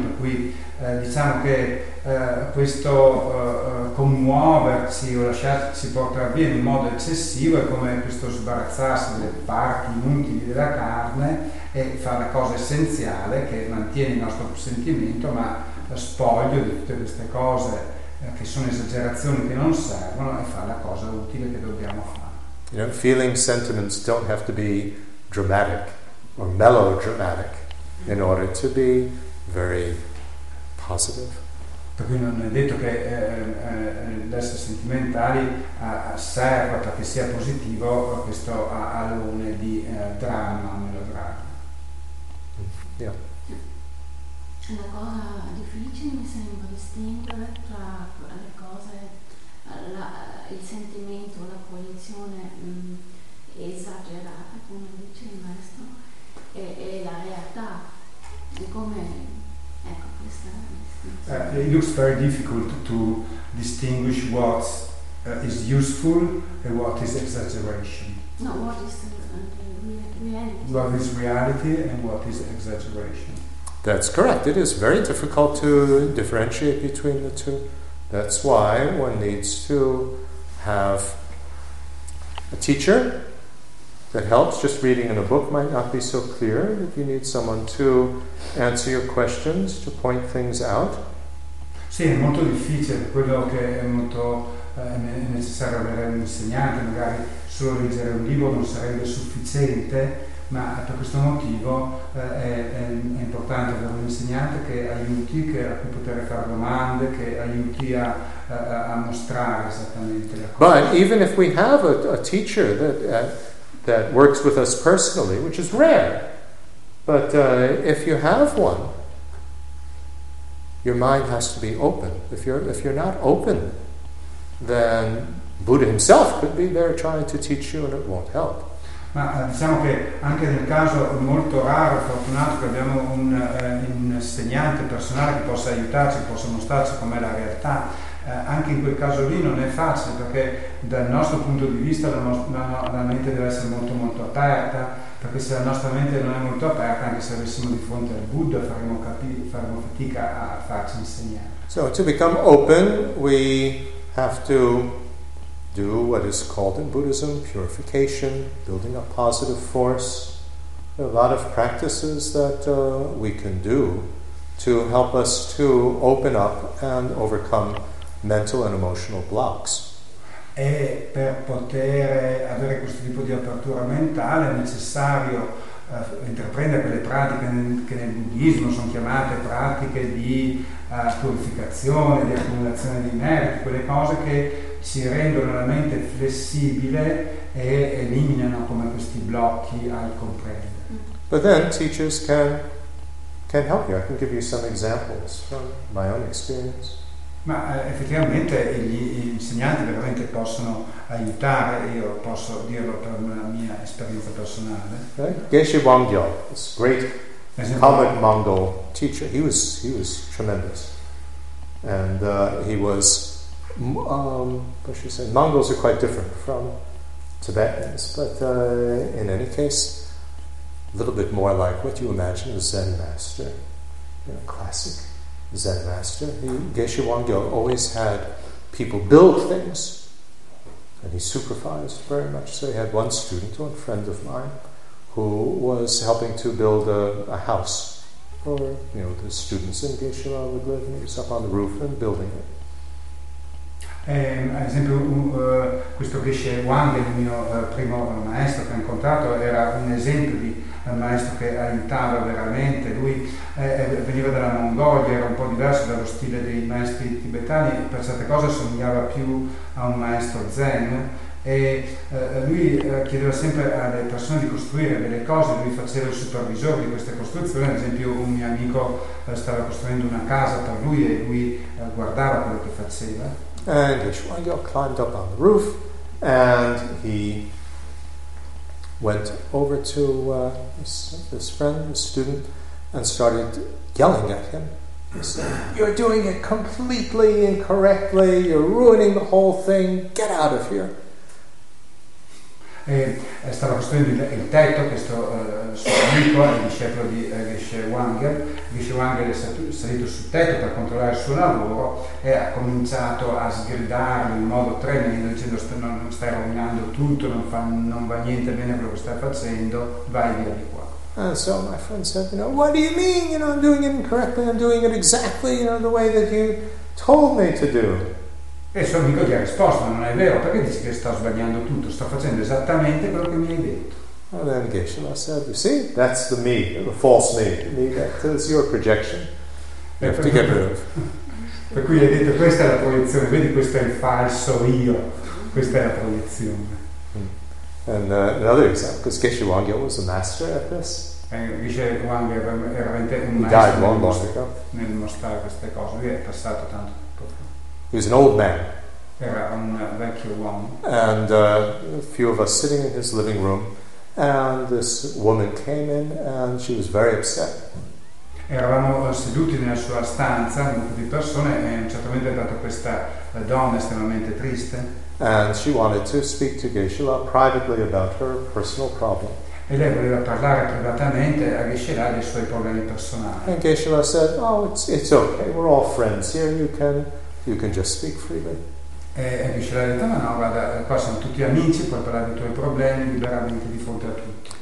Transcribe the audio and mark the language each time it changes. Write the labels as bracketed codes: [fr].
[it] Per cui diciamo che questo commuoverci o lasciarci portare via in modo eccessivo è come questo sbarazzarsi delle parti inutili della carne e fare la cosa essenziale che mantiene il nostro sentimento, ma spoglio di tutte queste cose che sono esagerazioni che non servono e fare la cosa utile che dobbiamo fare. [en] You know, feeling sentiments don't have to be dramatic or melodramatic in order to be very positive. [it] Perché non è detto che l'essere sentimentali serva perché sia positivo questo alone di dramma o melodramma. [en] Yeah. [it] È una cosa difficile, mi sembra, distinguere tra le cose, il sentimento, la proiezione esagerata, come dice il maestro, e la realtà, di come, ecco, questa distinzione. [en] It looks very difficult to distinguish what is useful and what is exaggeration. No, what is reality. What is reality and what is exaggeration. That's correct. It is very difficult to differentiate between the two. That's why one needs to have a teacher that helps. Just reading in a book might not be so clear. If you need someone to answer your questions, to point things out. [it] Sì, è molto difficile. Quello che è molto necessario avere un insegnante, magari solo leggere un libro non sarebbe sufficiente. Ma per questo motivo è importante avere un insegnante che aiuti, che a cui poter fare domande, che aiuti a mostrare esattamente la cosa. [en] But even if we have a teacher that works with us personally, which is rare, but if you have one, your mind has to be open. If you're not open, then Buddha himself could be there trying to teach you and it won't help. [it] Ma diciamo che anche nel caso molto raro, fortunato, che abbiamo un insegnante personale che possa aiutarci, possa mostrarci com'è la realtà, anche in quel caso lì non è facile, perché dal nostro punto di vista la mente deve essere molto molto aperta, perché se la nostra mente non è molto aperta, anche se avessimo di fronte al Buddha, faremo fatica a farci insegnare. [en] So to become open we have to do what is called in Buddhism purification, building a positive force. There are a lot of practices that we can do to help us to open up and overcome mental and emotional blocks. [it] E per poter avere questo tipo di apertura mentale è necessario intraprendere quelle pratiche che nel buddismo sono chiamate pratiche di purificazione, di accumulazione di meriti, quelle cose che ci rendono la mente flessibile e eliminano come questi blocchi al comprendere. [en] But then teachers can help you. I can give you some examples from my own experience. [it] Ma effettivamente gli insegnanti veramente possono aiutare, io posso dirlo per la mia esperienza personale. [en] Geshe Wangyal, this great Tibetan Mongol teacher, he was tremendous. And he was what should I say? Mongols are quite different from Tibetans, but in any case, a little bit more like what you imagine a Zen master, you know, classic Zen master. Geshe Wangyal always had people build things, and he supervised very much. So he had one student, one friend of mine, who was helping to build a house for, you know, the students in Geshe Wangyal would live, and he was up on the roof and building it. [it] Ad esempio questo Geshe Wangyal, il mio primo maestro che ho incontrato, era un esempio di maestro che aiutava veramente. Lui veniva dalla Mongolia, era un po' diverso dallo stile dei maestri tibetani, per certe cose somigliava più a un maestro Zen, e lui chiedeva sempre alle persone di costruire delle cose, lui faceva il supervisore di queste costruzioni. Ad esempio un mio amico stava costruendo una casa per lui e lui guardava quello che faceva. [en] And Geshe Wangyal climbed up on the roof and he went over to this friend, this student, and started yelling at him. He said, "You're doing it completely incorrectly, you're ruining the whole thing, get out of here." [it] E stava costruendo il tetto, questo suo amico, il discepolo di Geshe Wangyal. Geshe Wangyal è salito sul tetto per controllare il suo lavoro e ha cominciato a sgridarlo in modo tremendo, dicendo: non stai rovinando tutto, non va niente bene quello che stai facendo, vai via di qua. [en] And so my friend said, you know, what do you mean? You know, I'm doing it incorrectly. I'm doing it exactly, you know, the way that you told me to do. [it] E il suo amico gli ha risposto, non è vero, perché dici che sto sbagliando tutto? Sto facendo esattamente quello che mi hai detto. [en] And then Geshe-la said, you see, that's the me, the false me. The me that is your projection. You have to get rid of. [it] Per cui gli ha detto, questa è la proiezione. Vedi, questo è il falso io. Questa è la proiezione. [en] And another example, because Geshe Wangyal was a master at this. He died long, long ago. [it] Nel mostrare queste cose, lui è passato tanto tempo. [en] He was an old man. [it] Era un vecchio uomo. [en] And a few of us sitting in his living room, and this woman came in, and she was very upset. [it] Eravamo seduti nella sua stanza, un gruppo di persone, e certamente è stata questa donna estremamente triste. [en] And she wanted to speak to Geshe-la privately about her personal problem. [it] E lei voleva parlare privatamente a Geshe-la dei suoi problemi personali. [en] And Geshe-la said, "Oh, it's okay. We're all friends here. You can just speak freely." [it] E Geshe-la ha detto, "Ma no, guarda, qua sono tutti amici. Puoi parlare dei tuoi problemi liberamente di fronte a tutti."